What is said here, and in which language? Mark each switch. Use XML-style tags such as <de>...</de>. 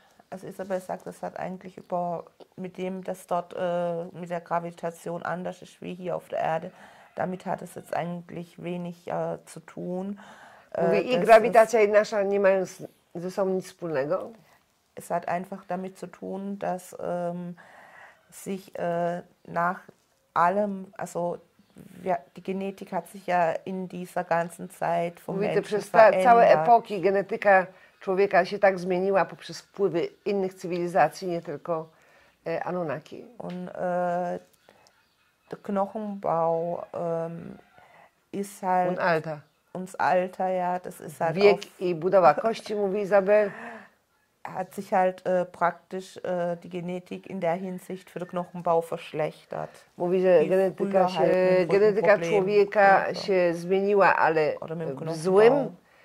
<de>Also Isabel sagt, das hat eigentlich über mit dem, dass dort mit der Gravitation anders ist wie hier auf der Erde, damit hat es jetzt eigentlich wenig zu tun.</de> <pl>Mówię, i grawitacja, i nasza nie mają ze sobą nic wspólnego.</pl> <de>Es hat einfach damit zu tun, dass sich nach allem, also ja, die Genetik hat sich ja in dieser ganzen Zeit vom Menschen verändert.</de> <pl>Przez całe epoki genetyka człowieka się tak zmieniła poprzez wpływy innych cywilizacji, nie tylko Anunnaki.</pl> <de>Und der Knochenbau ist halt Und Alter. uns Alter, ja, das ist halt</de> <pl>Wiek</pl> <de>auf,</de> <pl>i budowa kości, mówi Isabel.</pl> <de>hat sich halt praktisch die Genetik in der Hinsicht für den Knochenbau verschlechtert.</de> <pl>Mówi, że genetyka, się, halt genetyka człowieka się zmieniła, ale w złym.</pl>